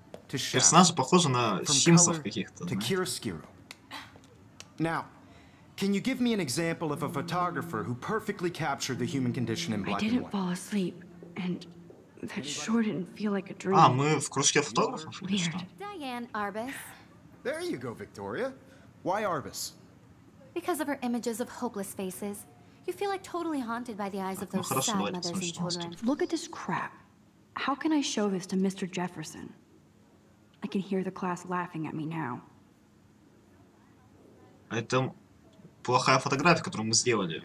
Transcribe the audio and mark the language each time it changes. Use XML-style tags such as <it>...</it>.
<ru>Персонажи похожи на симсов каких-то. Знаете.</ru> <en>Now, can you give me an example of a photographer who perfectly captured the human condition in black and white? I didn't fall asleep, and that sure didn't feel like a dream.</en> <ru>Мы в кружке фотографов.</ru> <en>Diane Arbus. There you go, Victoria. Why Arbus? Because of her images of hopeless faces. You feel like totally haunted by the eyes of those sad mothers and children. Look at this crap. How can I show this to Mr. Jefferson? I can hear the class laughing at me now.</en> <ru>Это плохая фотография, которую мы сделали.</ru>